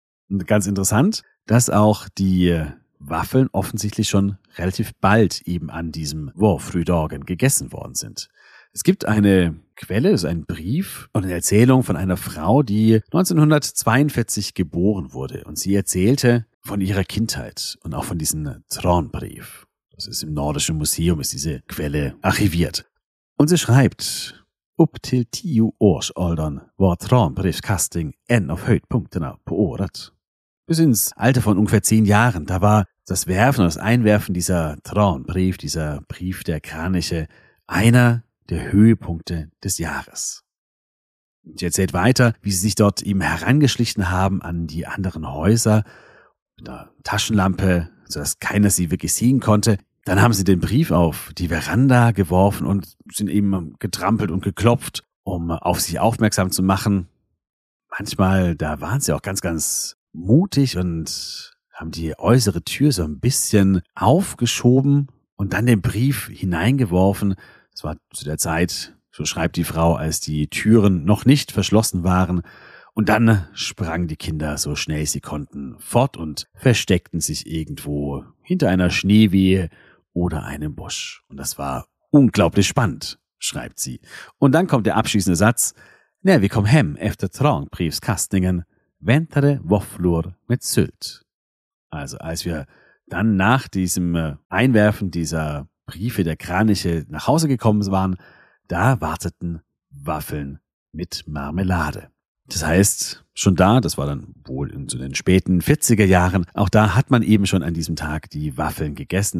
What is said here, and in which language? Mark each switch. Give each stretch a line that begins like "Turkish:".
German: Und ganz interessant, dass auch die Waffeln offensichtlich schon relativ bald eben an diesem Vårfrydagen gegessen worden sind. Es gibt eine Quelle, es ist ein Brief und eine Erzählung von einer Frau, die 1942 geboren wurde. Und sie erzählte von ihrer Kindheit und auch von diesem Tronbrief. Das ist im Nordischen Museum, ist diese Quelle archiviert. Und sie schreibt,
Swedish: Up till 10 års åldern var Tronbriefskasting en av höjdpunkterna på året.
German: Bis ins Alter von ungefähr 10 Jahren, da war das Werfen und das Einwerfen dieser Tronbrief, dieser Brief der Kraniche, einer der Höhepunkte des Jahres. Und sie erzählt weiter, wie sie sich dort eben herangeschlichen haben an die anderen Häuser mit einer Taschenlampe, sodass keiner sie wirklich sehen konnte. Dann haben sie den Brief auf die Veranda geworfen und sind eben getrampelt und geklopft, um auf sich aufmerksam zu machen. Manchmal, da waren sie auch ganz, ganz mutig und haben die äußere Tür so ein bisschen aufgeschoben, und dann den Brief hineingeworfen. Das war zu der Zeit, so schreibt die Frau, als die Türen noch nicht verschlossen waren. Und dann sprangen die Kinder so schnell sie konnten fort und versteckten sich irgendwo hinter einer Schneewehe oder einem Busch. Und das war unglaublich spannend, schreibt sie. Und dann kommt der abschließende Satz.
Swedish: När vi kom hem efter trångbrevskastningen väntade våfflor med sylt.
German: Also als wir dann nach diesem Einwerfen dieser Briefe der Kraniche nach Hause gekommen waren, da warteten Waffeln mit Marmelade. Das heißt, schon da, das war dann wohl in so den späten 40er Jahren, auch da hat man eben schon an diesem Tag die Waffeln gegessen.